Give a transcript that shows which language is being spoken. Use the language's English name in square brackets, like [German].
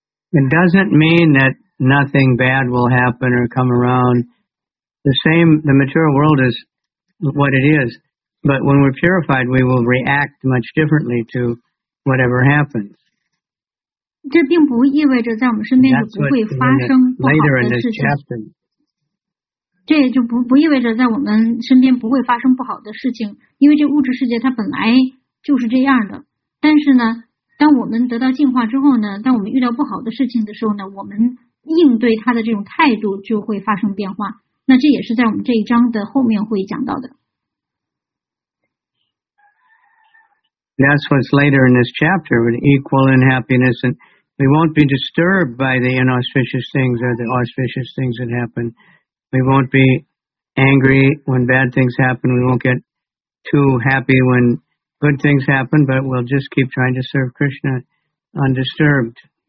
[English] It doesn't mean that nothing bad will happen or come around. The material world is what it is. But when we're purified, we will react much differently to whatever happens. [Chinese] 这并不意味着在我们身边就不会发生不好的事情。这也就不意味着在我们身边不会发生不好的事情，因为这物质世界它本来就是这样的。但是呢，当我们得到净化之后呢，当我们遇到不好的事情的时候呢，我们应对它的这种态度就会发生变化。那这也是在我们这一章的后面会讲到的。 [English] That's what's later in this chapter, with equal in happiness, and we won't be disturbed by the inauspicious things or the auspicious things that happen. We won't be angry when bad things happen. We won't get too happy when good things happen, but we'll just keep trying to serve Krishna undisturbed.